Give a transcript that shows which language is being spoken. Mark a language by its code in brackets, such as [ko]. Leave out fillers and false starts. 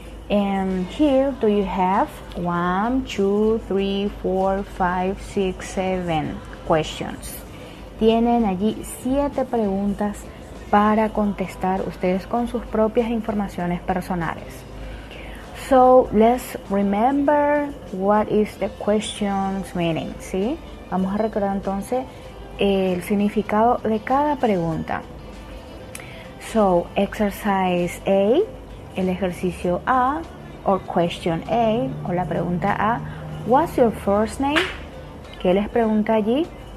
[en] And here do you have 1, 2, 3, 4, 5, 6, 7 questions. [es] Tienen allí 7 preguntas para contestar ustedes con sus propias informaciones personales. [en] So, let's remember what is the question's meaning, ¿sí? [es] Vamos a recordar entonces el significado de cada pregunta. [en] So, exercise A, [es] el ejercicio A, [en] or question A, [es] o la pregunta A, [en] what's your first name? [es] ¿Qué les pregunta allí?